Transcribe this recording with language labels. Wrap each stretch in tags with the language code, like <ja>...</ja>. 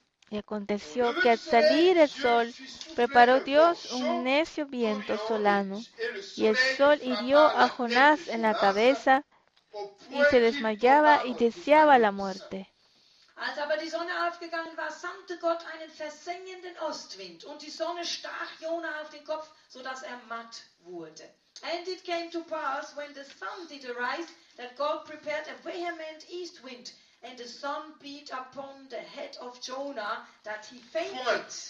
<es>Y aconteció que al salir el sol, preparó Dios un necio viento solano, y el sol hirió a Jonás en la cabeza, y se desmayaba y deseaba la muerte.</es> <de>Als aber die Sonne aufgegangen war, sandte Gott einen versengenden Ostwind, und die Sonne stach Jonah auf den Kopf, so dass matt wurde.</de> <en>And it came to pass, when the sun did arise, that God prepared a vehement east wind, and the sun beat upon the head of Jonah, that he fainted.</en>